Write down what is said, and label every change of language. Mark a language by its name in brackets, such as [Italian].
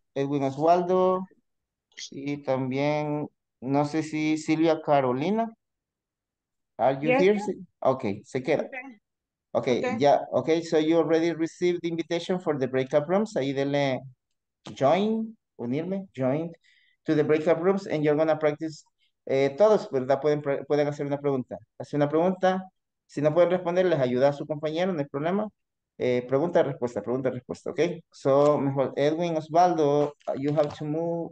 [Spanish] Edwin Oswaldo. Y también, no sé si Silvia Carolina. [English] Are you here? Sir? [Spanish] Okay, se queda. [English] Okay, so you already received the invitation for the breakout rooms. [Spanish] Ahí dele join, unirme, join. [English] To the breakout rooms, and you're going to practice. [Spanish] Todos, ¿verdad? Pueden hacer una pregunta. Hace una pregunta. Si no pueden responder, les ayuda a su compañero, no hay problema. Pregunta, respuesta, pregunta, respuesta, ok. [English] So, [Spanish] mejor, [English] Edwin Osvaldo, you have to move.